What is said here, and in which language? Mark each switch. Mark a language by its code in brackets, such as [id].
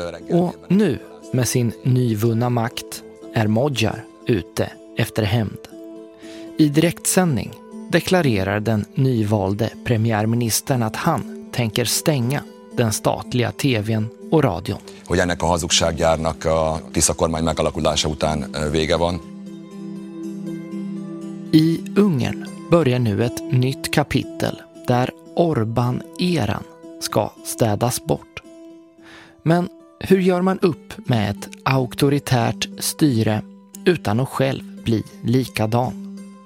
[sv] Och nu, med sin nyvunna makt, är Modjar ute efter hämnd. I direktsändning deklarerar den nyvalde premiärministern att han tänker stänga den statliga tv:n och radion. [hu] Hogy ennek a hazugsággyárnak a Tisza kormány megalakulása után vége van. [sv] I Ungern börjar nu ett nytt kapitel där Orbán-eran ska städas bort. Men hur gör man upp med ett auktoritärt styre utan att själv bli likadan?